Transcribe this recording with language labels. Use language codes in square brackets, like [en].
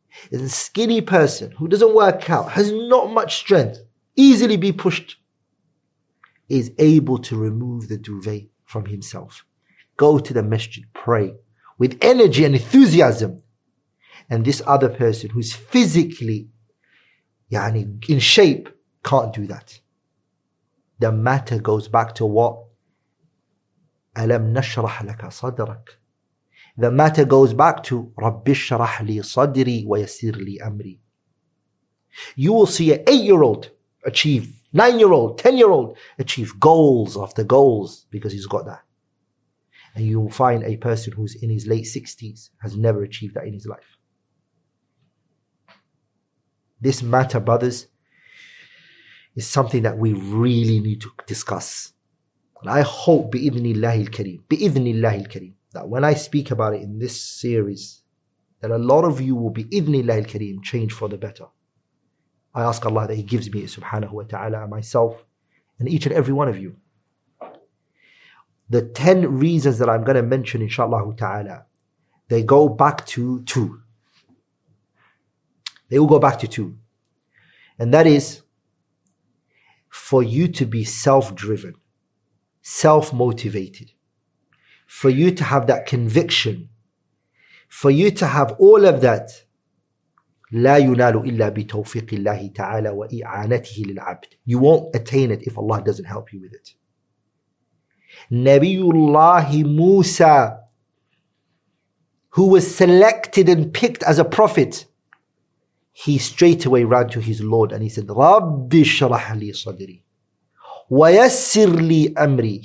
[en] It's a skinny person who doesn't work out, has not much strength, easily be pushed, is able to remove the duvet from himself, go to the masjid, pray with energy and enthusiasm. And this other person who's physically yani in shape can't do that. The matter goes back to what? [ar] أَلَمْ نَشْرَحْ لَكَ صَدْرَكَ. [en] The matter goes back to رَبِّ شَرَحْ لِي صَدْرِي وَيَسِرْ لِي أَمْرِي. You will see an 8-year-old achieve, 9-year-old, 10-year-old achieve goals after goals because he's got that. And you will find a person who's in his late 60s has never achieved that in his life. This matter, brothers, is something that we really need to discuss. And I hope, bi-idhnillahi al-kareem, that when I speak about it in this series, that a lot of you will, bi-idhnillahi al-kareem, change for the better. I ask Allah that He gives me, subhanahu wa ta'ala, myself, and each and every one of you. The 10 reasons that I'm going to mention, inshallah ta'ala, they go back to two. They will go back to two. And that is for you to be self-driven, self-motivated, for you to have that conviction, for you to have all of that. [ar] لا ينال إلا بتوفيق الله تعالى وإعانته للعبد. [en] You won't attain it if Allah doesn't help you with it. [ar] نبي الله موسى, [en] who was selected and picked as a prophet, he straight away ran to his Lord and he said, [ar] رَبِّ شَرَحْ لِي صَدْرِي وَيَسِّرْ لِي أَمْرِي.